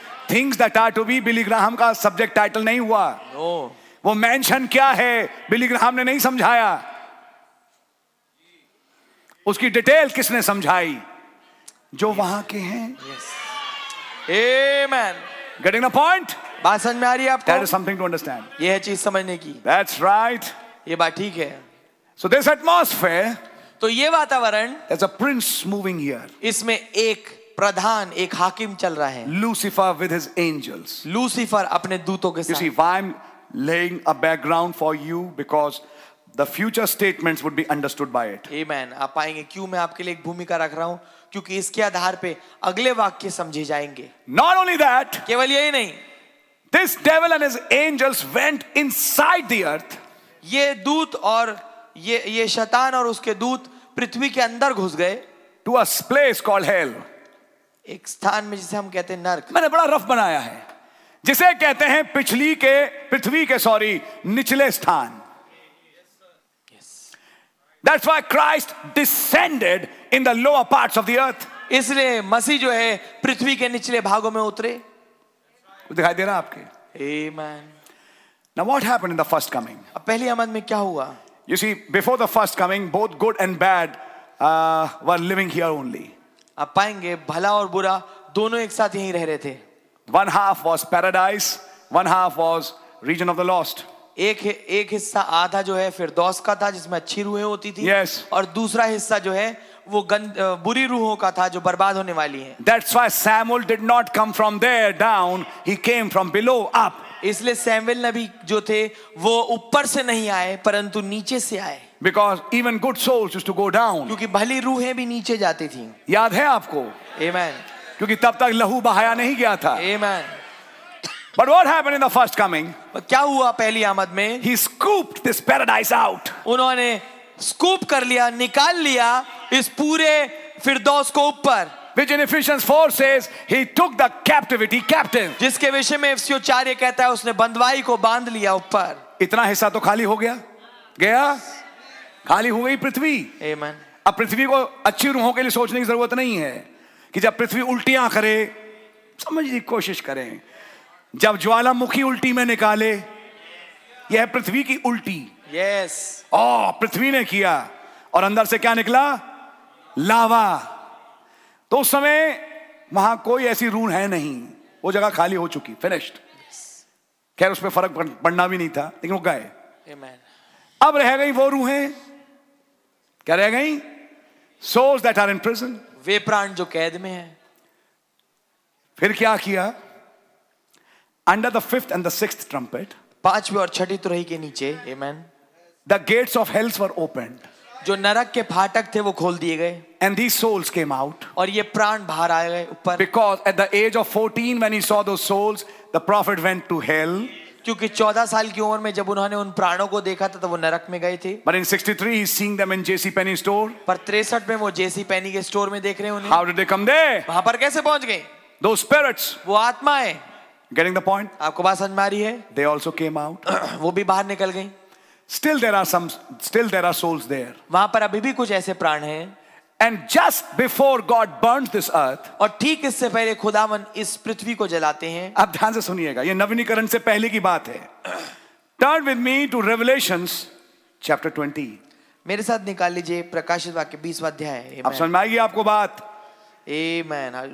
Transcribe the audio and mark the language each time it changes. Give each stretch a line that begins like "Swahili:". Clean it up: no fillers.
English: Things that are to be,
Hindi: Billy Graham का subject title नहीं हुआ.
English: No.
Hindi: वो मेंशन क्या है बिली ग्राहम ने नहीं समझाया. उसकी डिटेल किसने समझाई जो वहां के हैं. आमेन.
English: Getting the point.
Hindi: बात समझ में आ रही है आपको?
English: That is something to understand.
Hindi: ये है चीज समझने की.
English: That's right.
Hindi: ये बात ठीक है.
English: So this atmosphere.
Hindi: तो ये वातावरण.
English: There's a prince moving here.
Hindi: इसमें एक प्रधान, एक हाकिम चल रहा है.
English: Lucifer with his angels.
Hindi: Lucifer अपने दूतों के साथ.
English: You see, why I'm laying a background for you because the future statements would be understood by it. Amen.
Hindi: आप पाएंगे क्यों मैं आपके लिए एक भूमिका रख रहा हूँ? क्योंकि इसके आधार पे अगले वाक्य समझे जाएंगे.
English: Not only that.
Hindi: केवल यही नहीं.
English: This devil and his angels went inside the earth.
Hindi: ये दूत और ये शैतान और उसके दूत पृथ्वी के अंदर घुस गए.
English: To a place called hell.
Hindi: एक स्थान में जिसे हम कहते हैं नरक. मैंने बड़ा रफ बनाया है. जिसे कहते हैं पृथ्वी के निचले स्थान.
English: That's why Christ descended in the lower parts of the earth.
Hindi: इसलिए मसीह जो है पृथ्वी के निचले भागों में उतरे. दिखाई दे रहा आपके?
English: Amen. Now what happened in the first coming?
Hindi: अब पहली आमद में क्या हुआ?
English: You see, before the first coming, both good and bad were living here only.
Hindi: अब पाएंगे भला और बुरा दोनों एक साथ यहीं रह रहे थे.
English: One half was paradise, one half was region of the lost.
Hindi: एक हिस्सा आधा जो है फिर दोस्त का था जिसमें अच्छी रूहें होती थी.
English: yes.
Hindi: और दूसरा हिस्सा जो है वो बुरी रूहों का था जो बर्बाद होने वाली है.
English: That's why Samuel did not come from there down, he came from below up.
Hindi: इसलिए सैमुएल नबी जो थे वो ऊपर से नहीं आए परंतु नीचे से आए.
English: Because even good souls used to go down.
Hindi: क्योंकि भली रूहें भी नीचे जाती थी. याद है आपको?
English: Amen.
Hindi: क्योंकि तब तक लहू बहाया नहीं गया था.
English: Amen. But what happened in the first coming?
Hindi: क्या हुआ पहली आमद में?
English: He scooped this paradise out.
Hindi: उन्होंने स्कूप कर लिया, निकाल लिया इस पूरे फिरदौस को ऊपर.
English: Which in Ephesians 4 says he took the captivity captive.
Hindi: जिसके विषय में इफिसियों 4 ये कहता है उसने बंदवाई को बांध लिया ऊपर. इतना हिस्सा तो खाली हो गया, गया? खाली हो गई पृथ्वी.
English: Amen.
Hindi: अब पृथ्वी को अच्छी रूहों के लिए सोचने की जरूरत नहीं है कि जब पृथ्वी उल्टियां करे, समझने की कोशिश करें, जब ज्वालामुखी उल्टी में निकाले, यह पृथ्वी की उल्टी.
English: Yes.
Hindi: ओ, पृथ्वी ने किया और अंदर से क्या निकला? लावा. तो उस समय वहां कोई ऐसी रून है नहीं, वो जगह खाली हो चुकी, फिनिश्ड. खैर उसमें फर्क पड़ना भी नहीं था, लेकिन वो गए.
English: Amen.
Hindi: अब रह गई वो रूहें. क्या रह गई?
English: Souls that are in prison.
Hindi: वे प्राण जो कैद में है. फिर क्या किया?
English: Under the fifth and the sixth trumpet,
Hindi: पांचवी और छठी तुरही के नीचे, amen.
English: The gates of hells were opened.
Hindi: जो नरक के फाटक थे वो खोल दिए गए.
English: And these souls came out.
Hindi: और ये प्राण बाहर आए गए ऊपर.
English: Because at the age of 14, when he saw those souls, the prophet went to hell.
Hindi: क्योंकि 14 साल की उम्र में जब उन्होंने उन प्राणों को देखा था तो वो नरक में गए थे.
English: But in 63, he's seeing them in J.C. Penney's store.
Hindi: पर 63 में वो J.C. Penney के स्टोर में देख रहे हैं उन्हें.
English: How did they come there?
Hindi: वहाँ पर कैसे पहुँच गए?
English: Those spirits.
Hindi: वो आत्माएं.
English: Getting the point?
Hindi: आपको बात समझ में आ रही है?
English: They also came out.
Hindi: वो भी बाहर निकल गए.
English: Still there are souls there.
Hindi: वहाँ पर अभी भी कुछ ऐसे प्राण हैं.
English: And just before God burns this earth.
Hindi: और ठीक इससे पहले खुदावन इस पृथ्वी को जलाते हैं. अब ध्यान से सुनिएगा, ये नवीनीकरण से पहले की बात है.
English: Turn with me to Revelations chapter 20.
Hindi: मेरे साथ निकाल लीजिए प्रकाशित वाक्य 20 अध्याय. अब समझ में आएगी आपको बात.
English: Amen.